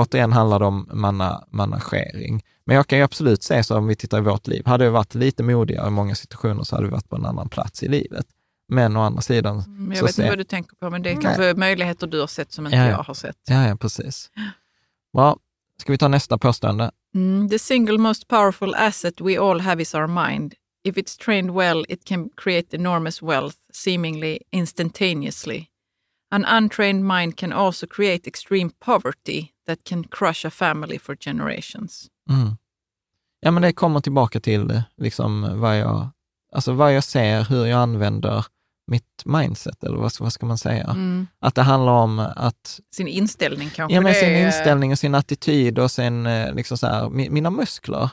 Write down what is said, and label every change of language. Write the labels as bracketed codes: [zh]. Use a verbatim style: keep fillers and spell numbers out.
[sv] att återigen handlar det om manna, managering. Men jag kan ju absolut säga så om vi tittar i vårt liv. Hade vi varit lite modigare i många situationer så hade vi varit på en annan plats i livet. Men å andra sidan... Mm, jag så vet inte se... vad du tänker på, men det är mm. kanske möjligheter du har sett som inte ja, jag har sett. Ja, ja, precis. Bra, ska vi ta nästa påstående? [en] Mm, the single most powerful asset we all have is our mind. If it's trained well, it can create enormous wealth, seemingly instantaneously. An untrained mind can also create extreme poverty that can crush a family for generations. Mm. [sv] Ja, men det kommer tillbaka till liksom vad jag, alltså vad jag ser, hur jag använder mitt mindset, eller vad, vad ska man säga? Mm. Att det handlar om att... Sin inställning kanske? Ja, men sin är... inställning och sin attityd och sin, liksom så här, mina muskler.